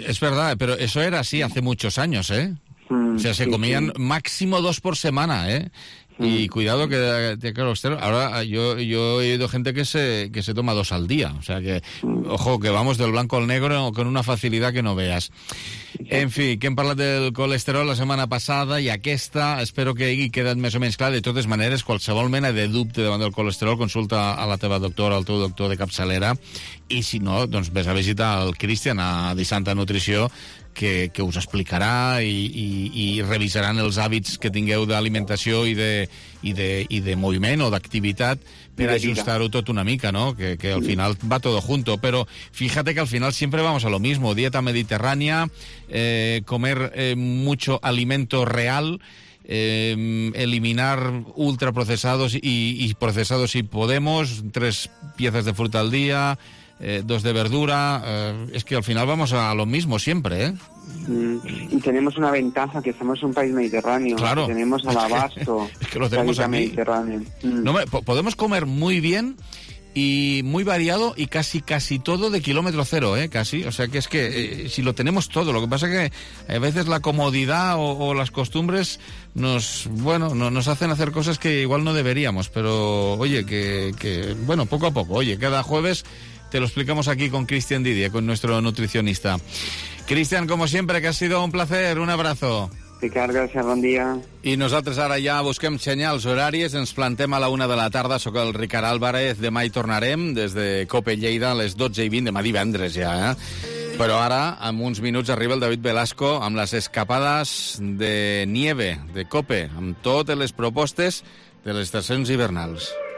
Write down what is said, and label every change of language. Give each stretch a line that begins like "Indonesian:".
Spanish: Es verdad, pero eso era así hace muchos años, ¿eh? O sea, se comían máximo 2 por semana, ¿eh? Y cuidado que tiene colesterol. Ahora yo he oído gente que se toma 2 al día. O sea que, ojo, que vamos del blanco al negro con una facilidad que no veas. En fin, ¿quién parla del colesterol la semana pasada y aquesta?
Catalan: Espero que ahí quedat més o menys clar. De totes maneres, qualsevol mena de dubte davant del colesterol, consulta a la teva doctora, al teu doctor de capçalera. I si no, doncs ves a visitar el Cristian a Di Santa Nutrició, que us explicarà i revisaran els hàbits que tingueu d'alimentació i de moviment o d'activitat per ajustar-ho tot una mica, no?
Spanish: Que al final va todo junto. Però fíjate que al final sempre vamos a lo mismo. Dieta mediterrània, comer mucho alimento real, eliminar ultraprocesados y procesados si podemos, 3 piezas de fruta al día... dos de verdura. Es que al final vamos a lo mismo siempre, ¿eh? Y tenemos una ventaja, que somos un país mediterráneo. Claro. Tenemos al abasto. Es que lo tenemos aquí. Mediterráneo. No, podemos comer muy bien y muy variado y casi todo de kilómetro cero, ¿eh? Casi. O sea, que es que si lo tenemos todo. Lo que pasa es que a veces la comodidad o las costumbres nos, bueno, no, nos hacen hacer cosas que igual no deberíamos. Pero, oye, que bueno, poco a poco. Oye, cada jueves te lo explicamos aquí con Cristian Didier, con nuestro nutricionista. Cristian, como siempre, que ha sido un placer. Un abrazo.
Catalan: Ricard, gràcies, bon dia. I nosaltres ara ja busquem senyals horàries, ens plantem a la una de la tarda, sóc el Ricard Álvarez, demà hi tornarem, des de COPE Lleida, a les 12:20, demà divendres ja, eh? Però ara, en uns minuts, arriba el David Velasco amb les escapades de nieve, de COPE, amb totes les propostes de les estacions hivernals.